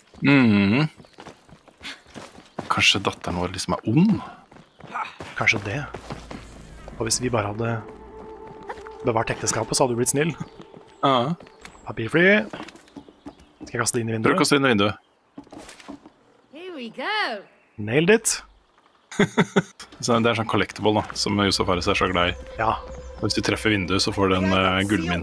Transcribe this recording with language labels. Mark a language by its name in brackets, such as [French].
[Norwegian] Mm-hmm. Kanskje datteren vår liksom ond? Kanskje det. Og hvis vi bare hadde bevart ekteskapet, så hadde du blitt snill. Ja. Papirfly. Skal jeg kaste det inn i vinduet? Prøv å kaste det inn i vinduet. [English] Here we go. Nailed it. [Norwegian] Så det en sånn collectible da, som Josef Ares er så glad i. Ja. Hvis du treffer vinduet, så får du en gullmynt.